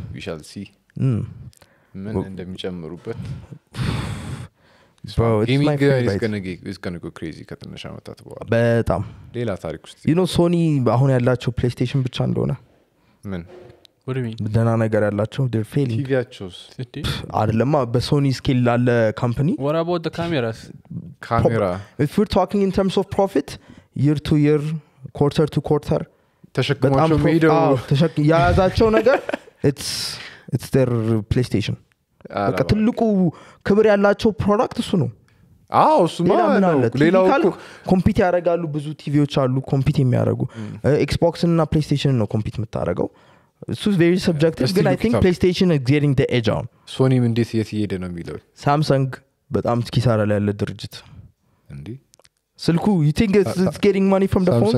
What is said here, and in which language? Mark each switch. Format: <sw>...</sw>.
<en>We shall see</en> <am>ምን እንደሚጨምሩበት</am> <en>Bro, gaming my is going to is going to go crazy</en> <am>ከተነ ሻመታት በኋላ በጣም ሌላ ታሪክ ውስጥ</am> <en>you know</en> <am>Sony አሁን ያላቸው PlayStation ብቻ እንደሆነ ምን</am> <en>what do you mean</en> <am>ደና ነገር ያላቸው</am> <en>they're failing</en> <am>TVያቸውስ አይደለማ በSony scale ላለ company</am> <en>what about the cameras camera if we're talking in terms of profit year to year quarter to quarter</en> <am>ተሸክሞቸው ሜዶ ተሸክ ያዛቸው ነገር</am> <en>it's their PlayStation</en> <am>በቃ ትልቁ ክብር ያላቸው ፕሮዳክት እሱ ነው አዎ እሱ ማለት ነው ሌላው እኮ ኮምፒት ያረጋሉ ብዙ ቲቪዎች አሉ ኮምፒት የሚያረጉ Xbox እና PlayStation ነው ኮምፒት የምታረገው እሱ</am> <en>very subjective but I think PlayStation is getting the edge on</en> <am>Sony ምን ዲስ እየሄደ ነው የሚለው Samsung በጣም ኪሳራ ላይ ያለ ድርጅት እንዴ ስልኩ</am> <en>you think it's getting money from the phones</en>